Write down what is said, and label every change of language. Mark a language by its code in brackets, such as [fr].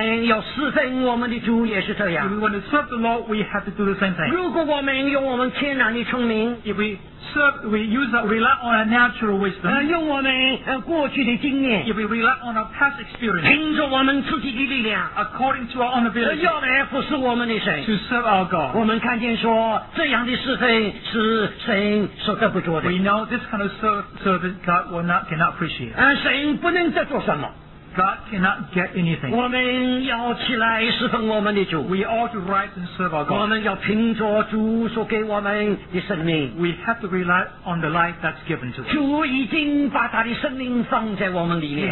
[zh] 今天我们要侍奉我们的主也是这样。 [en] If we want to serve the Lord, we have to do the same thing. [zh] 如果我们用我们天然的聪明, [en] if we serve, we use that, rely on our natural wisdom, [zh] 用我们过去的经验, [en] if we rely on our past experience, [zh] 凭着我们自己的力量, [en] according to our own ability, [zh] 要来服侍我们的神, [en] to serve our God, [zh] 我们看见说, 这样的侍奉是神所得不着的, [en] we know this kind of service God will not, cannot appreciate. [zh] 神不能再做什么, [en] God cannot get anything. [zh] 我们要起来侍奉我们的主, [en] we ought to rise and serve our God. [zh] 我们要凭着主所给我们的生命, [en] we have to rely on the life that's given to us. [zh] 主已经把他的生命放在我们里面,